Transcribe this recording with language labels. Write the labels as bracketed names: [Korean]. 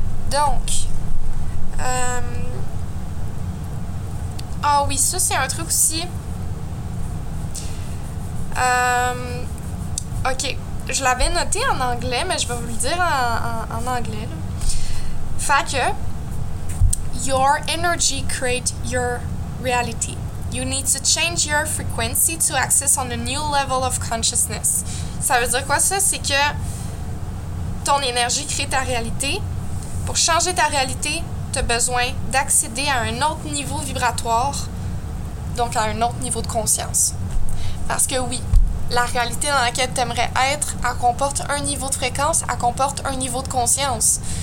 [French] Donc... Ah oui, ça, c'est un truc aussi. OK, je l'avais noté en anglais, mais je vais vous le dire en anglais. Fait que, [English] your energy creates your reality. You need to change your frequency to access on a new level of consciousness. [French] Ça veut dire quoi, ça? C'est que ton énergie crée ta réalité. Pour changer ta réalité, tu as besoin d'accéder à un autre niveau vibratoire, donc à un autre niveau de conscience. Parce que oui, la réalité dans laquelle tu aimerais être, elle comporte un niveau de fréquence, elle comporte un niveau de conscience.